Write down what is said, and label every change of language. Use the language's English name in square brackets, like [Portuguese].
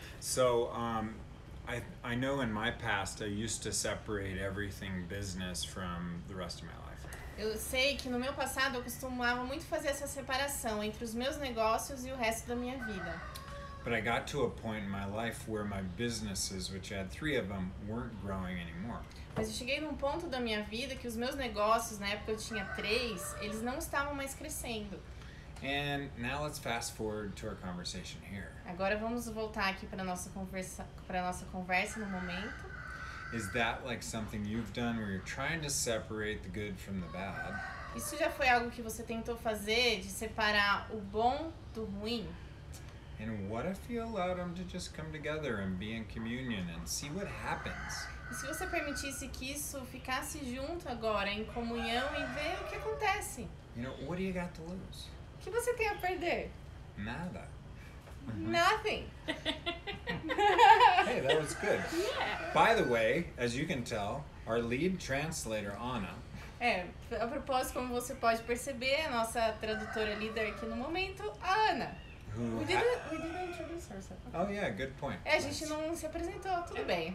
[English] So, I know in my past I used to separate everything business from the rest of my life. [Portuguese] Eu sei que no meu passado eu costumava muito fazer essa separação entre os meus negócios e o resto da minha vida. [English] But I got to a point in my life where my businesses, which I had three of them, weren't growing anymore. [Portuguese] Mas eu cheguei num ponto da minha vida que os meus negócios, na época eu tinha três, eles não estavam mais crescendo. [English] And now let's fast forward to our conversation here. [Portuguese] Agora vamos voltar aqui para nossa conversa no momento. [English] Is that like something you've done where you're trying to separate the good from the bad? [Portuguese] Isso já foi algo que você tentou fazer de separar o bom do ruim? [English] And what if you allowed them to just come together and be in communion and see what happens? [Portuguese] E se você permitisse que isso ficasse junto agora em comunhão e ver o que acontece? [English] You know, what do you got to lose? [Portuguese] O que você tem a perder? Nada. [English] Nothing. Hey, that was good. Yeah. By the way, as you can tell, our lead translator, Anna. [Portuguese] É, a propósito, como você pode perceber, a nossa tradutora líder aqui no momento, a Anna. [English] We didn't introduce ourselves. Oh, yeah, good point. [Portuguese] É, a gente não se apresentou, tudo bem.